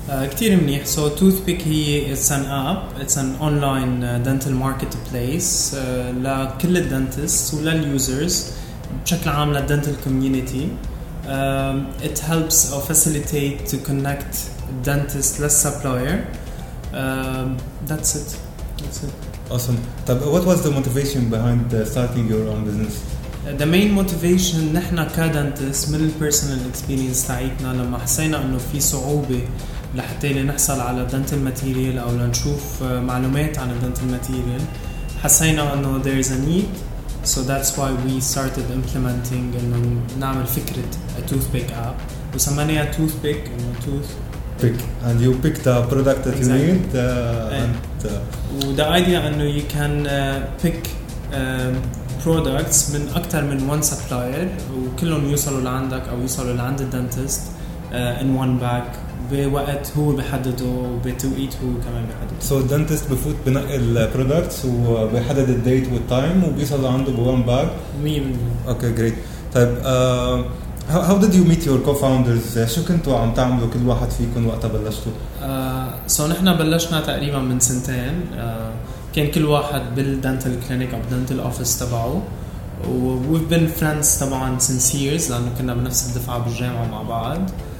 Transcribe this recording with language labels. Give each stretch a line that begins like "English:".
Arabic: كتير منيح.
English: So Toothpick
Arabic: هي
English: it's an app, it's an online dental marketplace
Arabic: لكل
English: dentists و لل users
Arabic: بشكل عام لل
English: dental community. It helps or facilitate to connect dentists less supplier. That's it. Awesome. What was the motivation behind starting your own business? The main motivation,
Arabic: نحنا كدنتس من
English: personal experience
Arabic: تاعتنا لما حسينا إنه في صعوبة لحتى نحصل على dental material أو لنشوف معلومات عن dental material, حسينا إنه
English: there is a need. So that's why we started implementing and
Arabic: نعمل فكرة
English: a Toothpick app.
Arabic: وسميناها Toothpick and Toothpick.
English: And you picked a product that exactly. You need. The idea is that you can pick products
Arabic: من أكثر من
English: one supplier
Arabic: وكلهم يوصلوا لعندك أو يوصلوا لعند الدنتست
English: in one bag.
Arabic: بوقت هو بحدده وبتوقيت هو كمان بحدده. So dentist بفوت بنقي البرودكتس وبحدد الديت والتايم وبيصل عنده بوان باك.
English: 100%. Okay, great.
Arabic: طيب
English: how did you meet your co-founders?
Arabic: شو كنتوا عم تعملوا كل واحد فيكم وقتها بلشتوا؟ So نحنا بلشنا تقريبا من سنتين. كان كل واحد بالدنتال كلينيك أو دنتال أوفيس تبعه.
English: We've been friends
Arabic: طبعا
English: since years
Arabic: لأنه كنا بنفس الدفعة بالجامعة مع بعض.